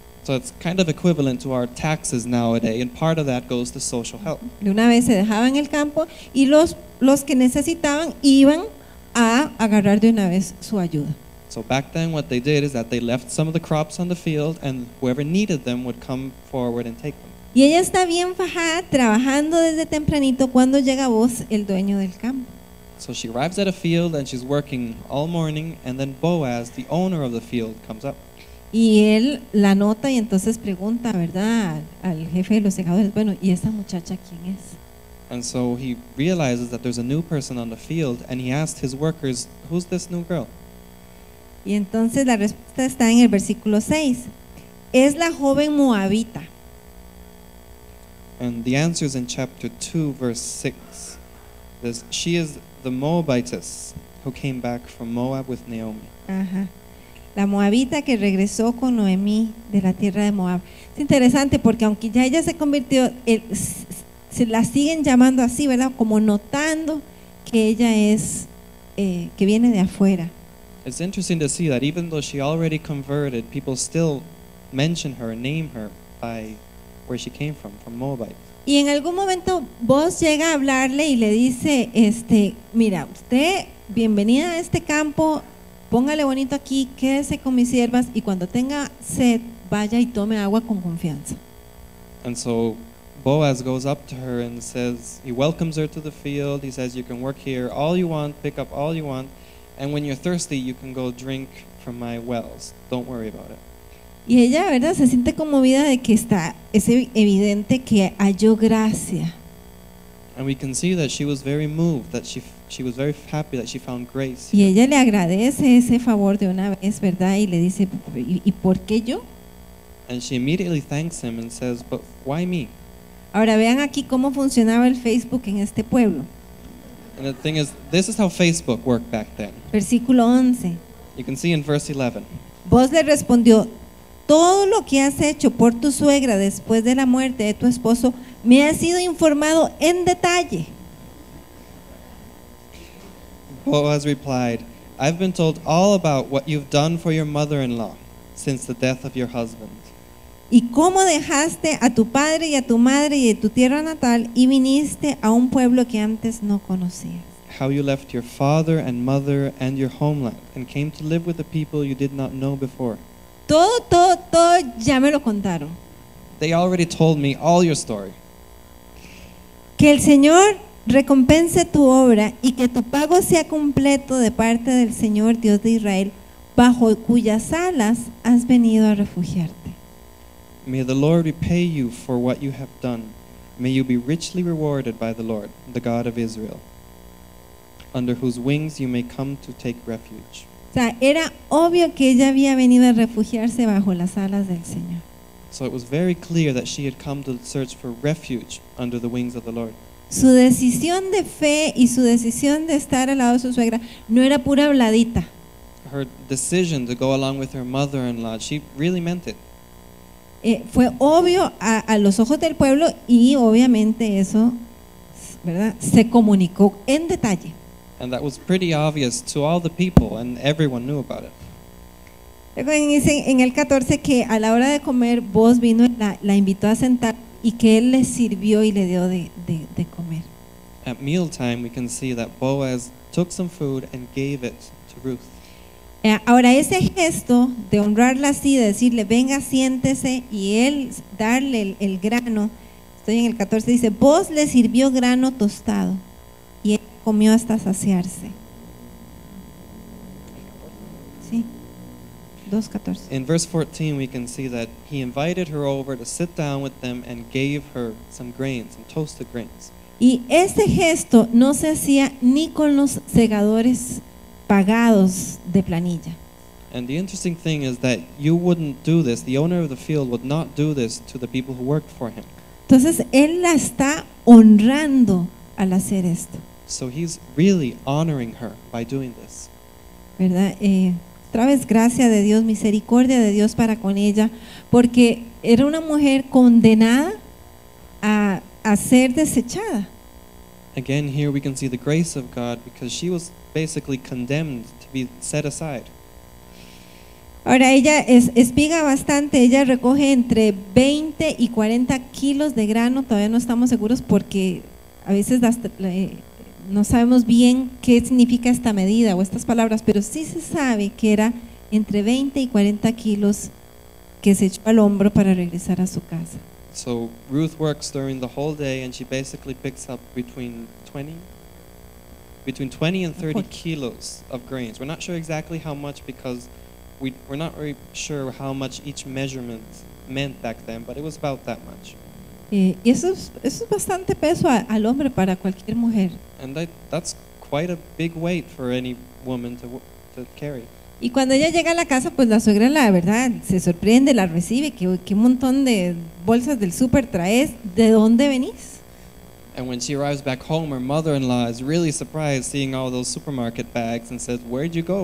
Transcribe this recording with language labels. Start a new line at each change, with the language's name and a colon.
English: So it's kind of equivalent to our taxes nowadays, and part of that goes to social help.
Spanish: De una vez se dejaban el campo y los que necesitaban iban a agarrar de una vez su ayuda.
English: So back then what they did is that they left some of the crops on the field and whoever needed them would come forward and take them.
Spanish: Y ella está bien fajada trabajando desde tempranito cuando llega Boaz, el dueño del campo.
English: So she arrives at a field and she's working all morning and then Boaz, the owner of the field, comes up.
Spanish: Y él la nota y entonces pregunta, ¿verdad?, al jefe de los segadores, bueno, ¿y esa muchacha quién es?
English: And so he realizes that there's a new person on the field and he asked his workers, who's this new girl?
Spanish: Y entonces la respuesta está en el versículo 6. Es la joven Moabita.
English: And the answer is in chapter 2, verse 6. This, she is the Moabitess who came back from Moab with Naomi.
Spanish: Ajá. La Moabita que regresó con Noemí de la tierra de Moab. Es interesante porque aunque ya ella se convirtió, se la siguen llamando así, ¿verdad? Como notando que ella es, que viene de afuera.
English: It's interesting to see that even though she already converted, people still mention her, name her by where she came from Moabite.
Spanish: Y en algún momento Boaz llega a hablarle y le dice, mira, usted, bienvenida a este campo, póngale bonito aquí, quédese con mis siervas y cuando tenga sed, vaya y tome agua con confianza.
English: And so Boaz goes up to her and says, he welcomes her to the field, he says, you can work here all you want, pick up all you want. And when you're thirsty, you can go drink from my wells. Don't worry about it.
Spanish: Y ella, ¿verdad?, se siente conmovida de que está, es evidente que halló gracia.
English: And we can see that she was very moved, that she was very happy that she found grace.
Spanish: Y ella le agradece ese favor de una vez, ¿verdad?, y le dice, ¿y por qué yo?
English: And she immediately thanks him and says, but why me?
Spanish: Ahora vean aquí cómo funcionaba el Facebook en este pueblo.
English: And the thing is, this is how Facebook worked back then.
Spanish: Versículo 11.
English: You can see in verse 11.
Spanish: Boaz le respondió, todo lo que has hecho por tu suegra después de la muerte de tu esposo me ha sido informado en detalle.
English: Boaz replied, I've been told all about what you've done for your mother-in-law since the death of your husband.
Spanish: Y cómo dejaste a tu padre y a tu madre y de tu tierra natal y viniste a un pueblo que antes no conocías.
English: How you left your father and mother and your homeland and came to live with the people you did not know before.
Spanish: Todo ya me lo contaron.
English: They already told me all your story.
Spanish: Que el Señor recompense tu obra y que tu pago sea completo de parte del Señor Dios de Israel, bajo cuyas alas has venido a refugiarte.
English: May the Lord repay you for what you have done. May you be richly rewarded by the Lord, the God of Israel, under whose wings you may come to take refuge.
Spanish: O sea, era obvio que ella había venido a refugiarse bajo las alas del Señor.
English: So it was very clear that she had come to search for refuge under the wings of the Lord.
Spanish: Su decisión de fe y su decisión de estar al lado de su suegra no era pura habladita.
English: Her decision to go along with her mother-in-law, she really meant it.
Spanish: Fue obvio a los ojos del pueblo y obviamente eso, ¿verdad?, se comunicó en detalle.
English: And that was pretty obvious to all the people and everyone knew about it.
Spanish: Luego dice en el 14 que a la hora de comer Boaz vino y la invitó a sentar y que él le sirvió y le dio de comer.
English: At mealtime we can see that Boaz took some food and gave it to Ruth.
Spanish: Ahora ese gesto de honrarla así, de decirle venga siéntese y él darle el grano, estoy en el 14, dice Boaz le sirvió grano tostado y él comió hasta saciarse. Sí, 2:14.
English: In verse 14 we can see that he invited her over to sit down with them and gave her some grains, some toasted grains.
Spanish: Y ese gesto no se hacía ni con los segadores pagados de planilla.
English: And the interesting thing is that you wouldn't do this, the owner of the field would not do this to the people who worked for him.
Spanish: Entonces él la está honrando al hacer esto.
English: So he's really honoring her by doing this.
Spanish: ¿Verdad? Otra vez gracia de Dios, misericordia de Dios para con ella, porque era una mujer condenada a ser desechada.
English: Again, here we can see the grace of God because she was basically condemned to be set aside.
Spanish: Ahora ella espiga bastante, ella recoge entre 20 y 40 kilos de grano, todavía no estamos seguros porque a veces no sabemos bien qué significa esta medida o estas palabras, pero sí se sabe que era entre 20 y 40 kilos que se echó al hombro para regresar a su casa.
English: So Ruth works during the whole day and she basically picks up between 20 and 30 kilos of grains. We're not sure exactly how much because we're not very sure how much each measurement meant back then, but it was about that much.
Spanish: Y eso es bastante peso al hombre para cualquier mujer.
English: And that's quite a big weight for any woman to carry.
Spanish: Y cuando ella llega a la casa, pues la suegra, la verdad, se sorprende, la recibe, qué montón de bolsas del súper traes, ¿de dónde venís?
English: And when she arrives back home, her mother-in-law is really surprised seeing all those supermarket bags and says, "Where'd you go?